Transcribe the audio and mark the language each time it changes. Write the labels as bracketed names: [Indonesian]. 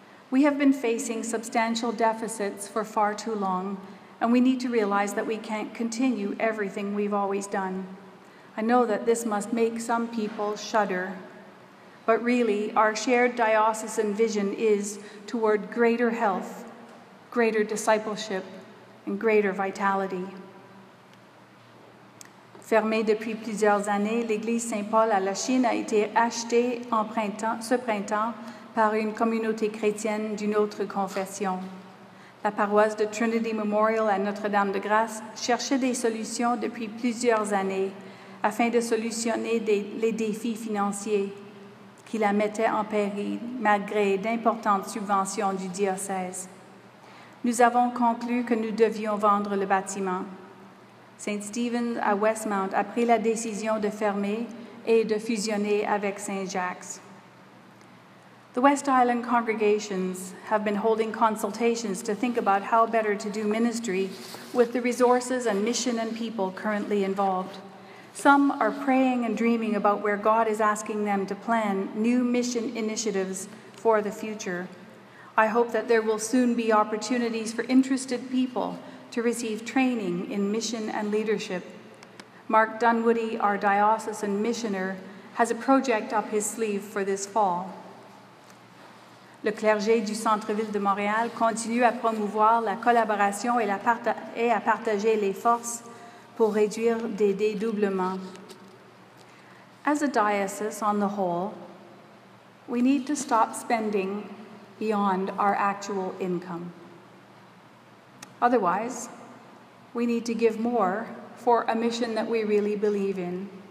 [English] We have been facing substantial deficits for far too long, and we need to realize that we can't continue everything we've always done. I know that this must make some people shudder. But really, our shared diocesan vision is toward greater health, greater discipleship, and greater vitality. [French] Fermée depuis plusieurs années, l'église Saint-Paul à la Chine a été achetée en printemps, ce printemps par une communauté chrétienne d'une autre confession. La paroisse de Trinity Memorial à Notre-Dame-de-Grâce cherchait des solutions depuis plusieurs années afin de solutionner les défis financiers qui la mettaient en péril malgré d'importantes subventions du diocèse. Nous avons conclu que nous devions vendre le bâtiment. Saint Stephen à Westmount a pris la décision de fermer et de fusionner avec Saint Jacques. [English] The West Island congregations have been holding consultations to think about how better to do ministry with the resources and mission and people currently involved. Some are praying and dreaming about where God is asking them to plan new mission initiatives for the future. I hope that there will soon be opportunities for interested people to receive training in mission and leadership. Mark Dunwoody, our diocesan missioner, has a project up his sleeve for this fall. [French] Le clergé du centre-ville de Montréal continue à promouvoir la collaboration et à partager les forces pour réduire des dédoublements. [English] As a diocese on the whole, we need to stop spending beyond our actual income. Otherwise, we need to give more for a mission that we really believe in.